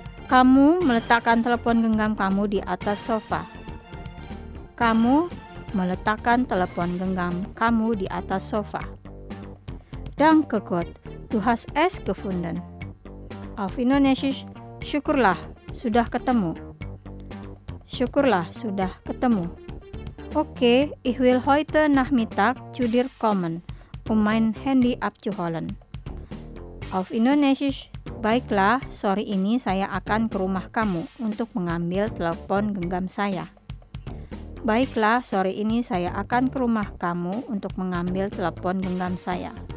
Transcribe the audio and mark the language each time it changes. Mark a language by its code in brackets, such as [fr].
[id] Kamu meletakkan telepon genggam kamu di atas sofa. Kamu meletakkan telepon genggam kamu di atas sofa. [de] Danke Gott, du hast es gefunden. Auf Indonesisch, [id] syukurlah, sudah ketemu. Syukurlah, sudah ketemu. [de] Oke, okay, ich will heute Nachmittag zu dir kommen, um mein Handy abzuholen. Auf Indonesisch. [id] Baiklah, sore ini saya akan ke rumah kamu untuk mengambil telepon genggam saya. Baiklah, sore ini saya akan ke rumah kamu untuk mengambil telepon genggam saya.